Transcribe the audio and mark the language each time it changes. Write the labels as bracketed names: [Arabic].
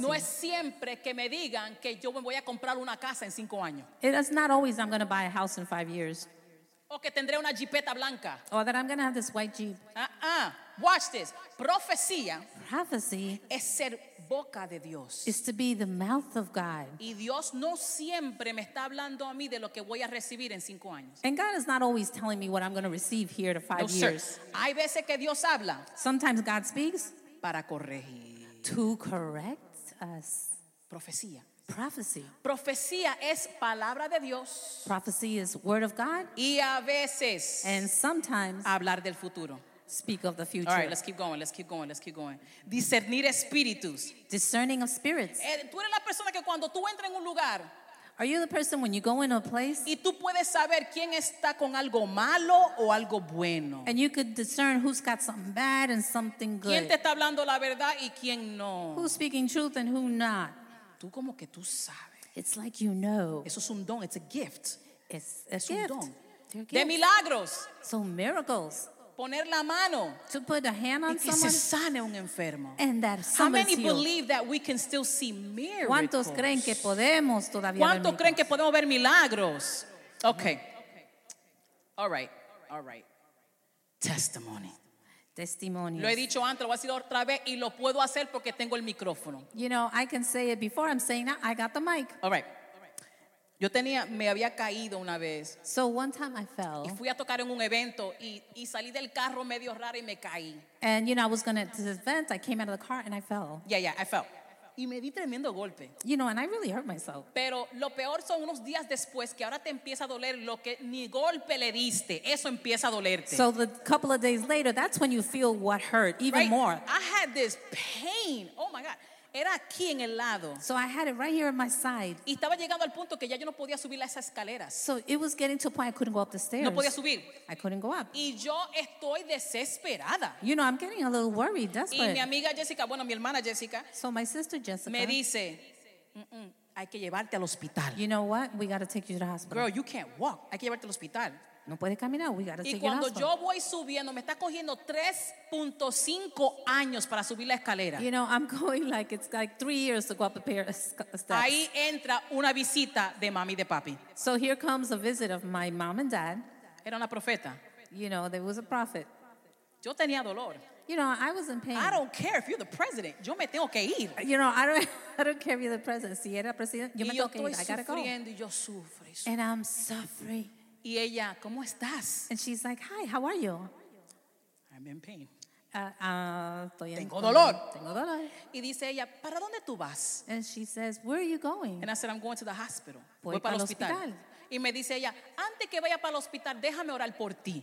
[Spanish] No es siempre que me digan que yo me voy a comprar una casa en 5 años. [English] It is not always I'm going to buy a house in 5 years. [Spanish] O que tendré una jipeta blanca. [English] Or that I'm going to have this white jeep. Watch this. Profecía. Prophecy. [Spanish] Es ser boca de Dios. [English] Is to be the mouth of God. [Spanish] Y Dios no siempre me está hablando a mí de lo que voy a recibir en 5 años. [English] And God is not always telling me what I'm going to receive here to 5 years. [Spanish] Hay veces que Dios habla. [English] Sometimes God speaks. [Spanish] Para corregir. [English] To correct us. [Spanish] Profecía. [English] Prophecy. [Spanish] Profecía es palabra de Dios. [English] Prophecy is word of God. [Spanish] Y a veces. [English] And sometimes. [Spanish] Hablar del futuro. [English] Speak of the future. All right, let's keep going. [Spanish] Discernir espíritus. [English] Discerning of spirits. [Spanish] Tú eres la persona que cuando tú entras en un lugar. [English] Are you the person when you go in a place? [Spanish] Y tú puedes saber quién está con algo malo o algo bueno. [English] And you could discern who's got something bad and something good. [Spanish] ¿Quién te está hablando la verdad y quién no? [English] Who's speaking truth and who not? [Spanish] Tú como que tú sabes. [English] It's like you know. [Spanish] Eso es un don. [English] It's a gift. It's a gift. Don. [Spanish] De milagros. [English] So miracles. [Spanish] Poner la mano. [English] To put a hand on [Spanish] y [English] someone. [Spanish] Y se sane un enfermo. [English] And that how many believe that we can still see miracles? [Spanish] ¿Cuántos creen que podemos todavía ver milagros? ¿Cuántos creen que podemos ver milagros? [English] Okay. All right. All right. Testimony. [Spanish] Testimonios. Lo he dicho antes, lo voy a decir otra vez y lo puedo hacer porque tengo el micrófono. [English] You know, I can say it before, I'm saying that I got the mic. All right. [Spanish] Yo tenía, me había caído una vez. [English] So one time I fell. [Spanish] Y fui a tocar en un evento y salí del carro medio raro y me caí. [English] And you know, I was going to this event, I came out of the car and I fell. Yeah, I fell. [Spanish] Y me di tremendo golpe. [English] You know, and I really hurt myself. [Spanish] Pero lo peor son unos días después que ahora te empieza a doler lo que ni golpe le diste. Eso empieza a dolerte. [English] So the couple of days later, that's when you feel what hurt even right? more. I had this pain. Oh my God. [Spanish] Era aquí en el lado. [English] So I had it right here on my side. [Spanish] Y estaba llegando al punto que ya yo no podía subir las escaleras. [English] So it was getting to a point I couldn't go up the stairs. [Spanish] No podía subir. [English] I couldn't go up. [Spanish] Y yo estoy desesperada. [English] You know, I'm getting a little worried, desperate. [Spanish] Y mi amiga Jessica, bueno, mi hermana Jessica. [English] So my sister Jessica. [Spanish] Me dice, hay que llevarte al hospital. [English] You know what? We got to take you to the hospital. Girl, you can't walk. [Spanish] Hay que llevarte al hospital. No puede caminar. [English] We got to [Spanish] y cuando yo voy subiendo, me está cogiendo 3.5 años para subir la escalera. [English] You know, I'm going like it's like 3 years to go up a pair of steps. [Spanish] Ahí entra una visita de mami y de papi. [English] So here comes a visit of my mom and dad. [Spanish] Era una profeta. [English] You know, there was a prophet. [Spanish] Yo tenía dolor. [English] You know, I was in pain. I don't care if you're the president. [Spanish] Yo me tengo que ir. [English] You know, I don't care if you're the president. Si era presidente, yo me tengo que ir. I gotta go. [Spanish] Y yo estoy sufriendo y yo sufro. [English] And I'm suffering. [Spanish] Y ella, ¿cómo estás? [English] And she's like, hi, how are you? I'm in pain. [Spanish] Estoy tengo en pain. Dolor. Tengo dolor. Y dice ella, ¿para dónde tú vas? [English] And she says, where are you going? And I said, I'm going to the hospital. [Spanish] Voy para el hospital. Y me dice ella, antes que vaya para el hospital, déjame orar por ti.